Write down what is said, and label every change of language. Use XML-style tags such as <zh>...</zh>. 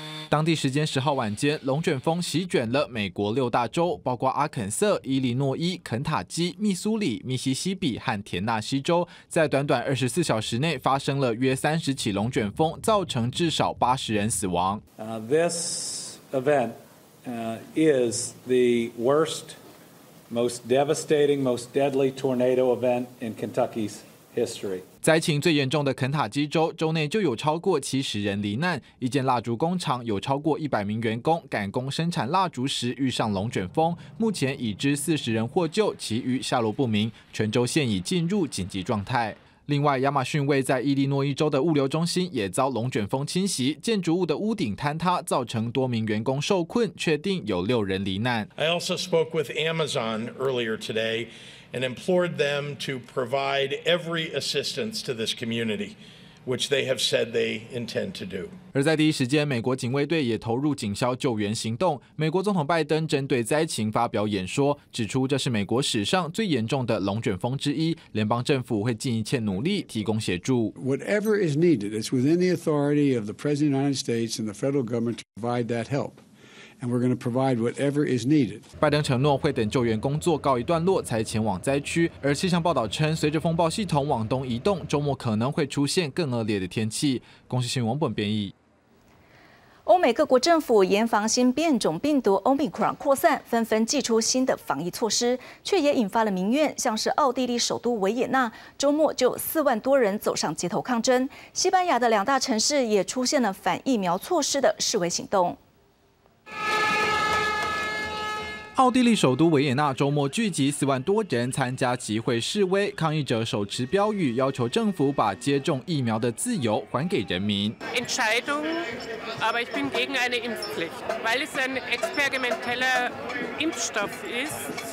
<zh>当地时间10号晚间，龙卷风席卷了美国6大州，包括阿肯色、伊利诺伊、肯塔基、密苏里、密西西比和田纳西州，在短短24小时内发生了约30起龙卷风，造成至少80人死亡。</zh> <en>This event is the worst. Most devastating, most deadly tornado event in Kentucky's history.</en> <zh>灾情最严重的肯塔基州，州内就有超过70人罹难。一间蜡烛工厂有超过100名员工赶工生产蜡烛时遇上龙卷风，目前已知40人获救，其余下落不明。全州现已进入紧急状态。另外，亚马逊位在伊利诺伊州的物流中心也遭龙卷风侵袭，建筑物的屋顶坍塌，造成多名员工受困，确定有6人罹难。</zh> <en>I also spoke with Amazon earlier today and implored them to provide every assistance to this community. Which they have said they intend to do.</en> <zh>而在第一时间，美国警卫队也投入警消救援行动。美国总统拜登针对灾情发表演说，指出这是美国史上最严重的龙卷风之一，联邦政府会尽一切努力提供协助。</zh> <en>Whatever is needed, it's within the authority of the President of the United States and the federal government to provide that help. And we're going to provide whatever is needed.</en> <zh>拜登承诺会等救援工作告一段落才前往灾区。而气象报道称，随着风暴系统往东移动，周末可能会出现更恶劣的天气。公司新闻本编译。欧美各国政府严防新变种病毒 Omicron 扩散，纷纷祭出新的防疫措施，却也引发了民怨。像是奥地利首都维也纳，周末就4万多人走上街头抗争。西班牙的2大城市也出现了反疫苗措施的示威行动。奥地利首都维也纳周末聚集4万多人参加集会示威，抗议者手持标语，要求政府把接种疫苗的自由还给人民。</zh> <de>Entscheidung, aber ich bin gegen eine Impfpflicht, weil es ein experimenteller Impfstoff ist.</de>